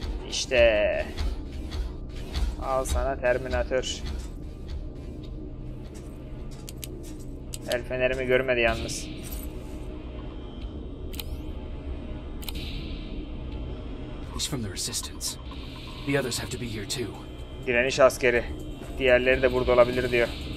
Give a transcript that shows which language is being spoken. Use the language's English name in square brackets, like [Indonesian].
[Turkish] İşte. Al sana Terminator. El fenerimi görmedi yalnız. [English] Who's from the resistance? The others have to be here too. [Turkish] Direniş askeri. Diğerleri de burada olabilir diyor.